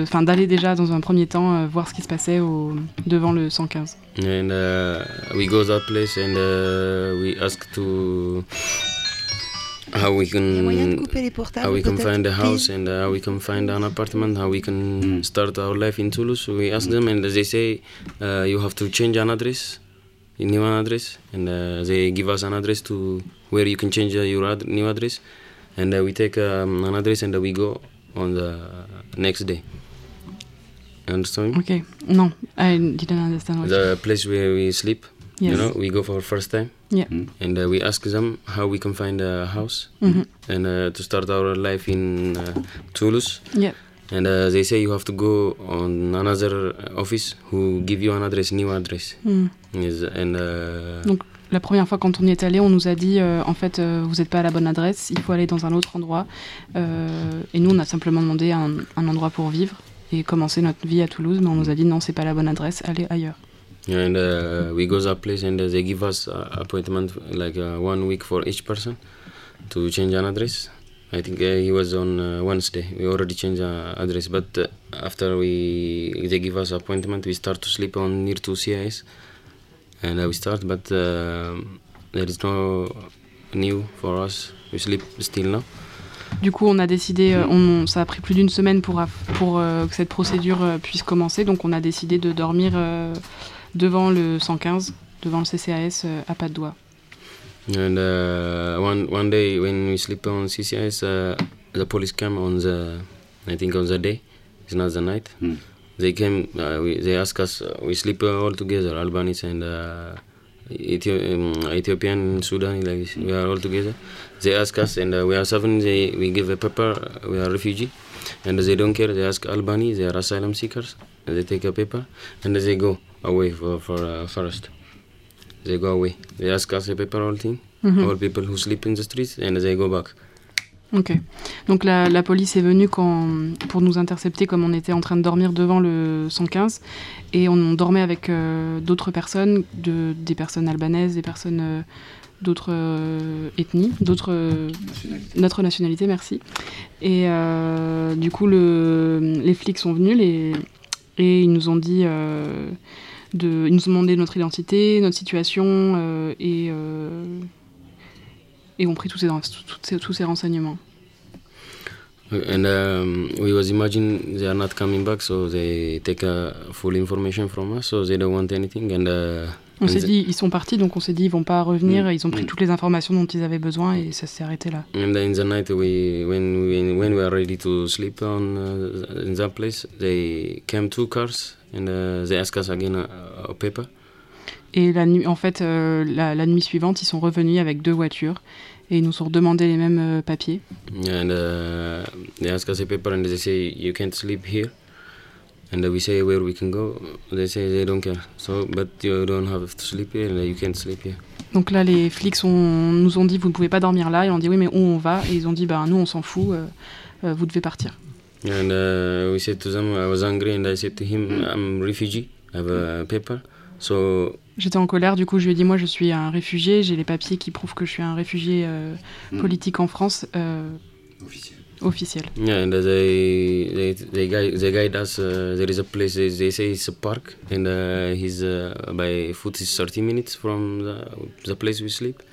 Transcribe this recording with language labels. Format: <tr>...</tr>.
<fr>Enfin, d'aller déjà, dans un premier temps, voir ce qui se passait devant le 115.</fr> <en>And we go to that place, and we ask to... How we can, how we can find a house, and how we can find an apartment, how we can start our life in Toulouse. We ask them, and they say, you have to change an address, a new address, and they give us an address to where you can change your new address, and we take an address and we go on the next day. Understand? Okay. No, I didn't understand. The place where we sleep. Yes. You know, we go for the first time, yeah. Mm. And we ask them how we can find a house, mm-hmm. and to start our life in Toulouse. Yeah. And they say you have to go on another office who give you an address, new address. Mm. Yes, and,</en> <fr>donc la première fois quand on y est allé, on nous a dit en fait vous n'êtes pas à la bonne adresse, il faut aller dans un autre endroit. Et nous on a simplement demandé un endroit pour vivre et commencer notre vie à Toulouse, mais on nous a dit non, c'est pas la bonne adresse, allez ailleurs.</fr> <en>And we go to that place and they give us an appointment like 1 week for each person to change an address. I think he was on Wednesday. We already changed an address, but after they give us an appointment, we start to sleep on near to CIS. And we start, but there is no new for us. We sleep still now.</en> <fr>Du coup, on a décidé, ça a pris plus d'une semaine pour que cette procédure puisse commencer. Donc, on a décidé de dormir devant le 115, devant le CCAS à pas de doigts.</fr> <en>And one day when we sleep on CCAS, the police came on the, I think on the day, it's not the night. Mm. They came, they asked us, we sleep all together, Albanese and Ethiopian, Sudanese, like, we are all together. They ask us, and we are seven, we give a paper, we are refugee, and they don't care, they ask Albanese, they are asylum seekers, and they take a paper, and they go away for first. They go away. They ask us a paper, all thing, mm-hmm. all people who sleep in the streets, and they go back. Ok.</en> <fr>Donc la police est venue pour nous intercepter comme on était en train de dormir devant le 115 et on dormait avec d'autres personnes, des personnes albanaises, des personnes d'autres ethnies, d'autres notre nationalité, merci. Et du coup les flics sont venus et ils nous ont dit ils nous ont demandé notre identité, notre situation et ont pris tous ces renseignements.</fr> <en>And we was imagine they are not coming back, so they take full information from us, so they don't want anything. And</en> <fr>on s'est dit ils sont partis, donc on s'est dit ils vont pas revenir. Mm. Ils ont pris toutes les informations dont ils avaient besoin et ça s'est arrêté là.</fr> <en>And in the night when we are ready to sleep on in that place, they came two cars and they ask us again a paper.</en> <fr>Et la nuit, en fait, la nuit suivante, ils sont revenus avec deux voitures et ils nous ont demandé les mêmes papiers.</fr> <en>And they ask us a paper and they say you can't sleep here. And we say where we can go. They say they don't care. So, but you don't have to sleep here. You can't sleep here.</en> <fr>Donc là, les flics nous ont dit vous ne pouvez pas dormir là. Et on dit oui, mais où on va? Et ils ont dit nous, on s'en fout. Vous devez partir.</fr> <en>And we said to them, I was angry and I said to him, I'm refugee. I have a paper. So,</en> <fr>j'étais en colère, du coup je lui ai dit moi je suis un réfugié, j'ai les papiers qui prouvent que je suis un réfugié politique en France officiel.</fr> <en>Yeah, and they guide us, there is a place, they say it's a park, and he's by foot is 30 minutes from the place we sleep.</en>